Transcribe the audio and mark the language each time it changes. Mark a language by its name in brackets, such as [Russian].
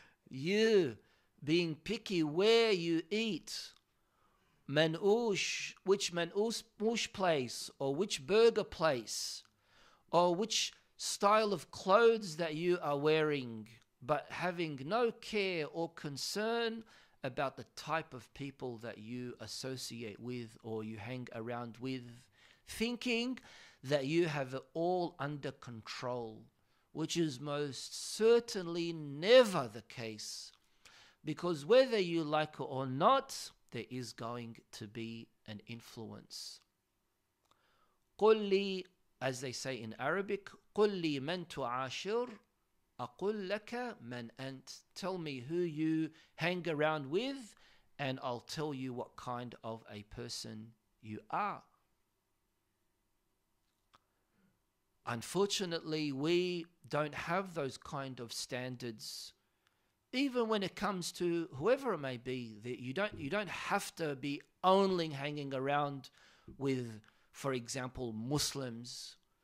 [English] you being picky where you eat, manoush, which manoush place, or which burger place, or which style of clothes that you are wearing, but having no care or concern about the type of people that you associate with or you hang around with, thinking that you have it all under control, which is most certainly never the case. Because whether you like it or not, there is going to be an influence. [Arabic] قُلِّي, [English] as they say in Arabic, [Arabic] قُلِّي مَن تُعَاشِرُ أَقُلْ لَكَ مَن أَنْتَ. [English] Tell me who you hang around with, and I'll tell you what kind of a person you are. Unfortunately, we don't have those kind of standards. Even when it comes to whoever it may be, that you don't have to be only hanging around with, for example, Muslims.